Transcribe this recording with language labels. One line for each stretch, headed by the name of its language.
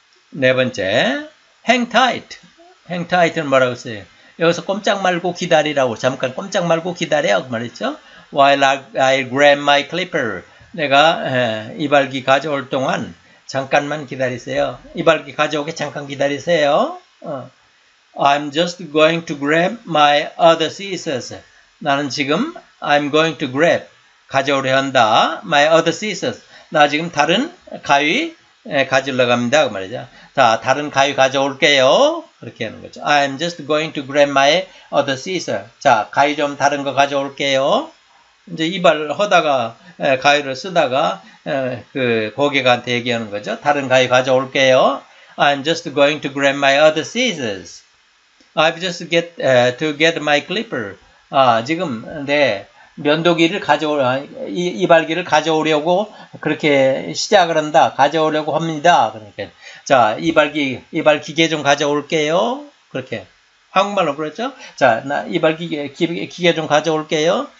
Korean: 네 번째,
English: hang tight. Hang tight
Korean: 은 뭐라고 써요? 여기서 꼼짝 말고 기다리라고. 잠깐 꼼짝 말고 기다려. 그 말이죠.
English: While I grab my clipper.
Korean: 내가 이발기 가져올 동안 잠깐만 기다리세요. 이발기 가져오게 잠깐 기다리세요.
English: I'm just going to grab my other scissors.
Korean: 나는 지금
English: I'm going to grab
Korean: 가져오려 한다.
English: My other scissors.
Korean: 나 지금 다른 가위 가지러 갑니다. 그 말이죠. 자, 다른 가위 가져올게요. 그렇게 하는 거죠.
English: I'm just going to grab my other scissors.
Korean: 자, 가위 좀 다른 거 가져올게요. 이제 이발을 하다가 가위를 쓰다가 그 고객한테 얘기하는 거죠. 다른 가위 가져올게요.
English: I'm just going to grab my other scissors. I've just get to get my clipper.
Korean: 아, 지금 네, 면도기를 가져오 이발기를 가져오려고 그렇게 시작을 한다. 가져오려고 합니다. 그러니까 자, 이발 기계 좀 가져올게요. 그렇게 한국말로 그랬죠? 자, 나 이발 기계 좀 가져올게요.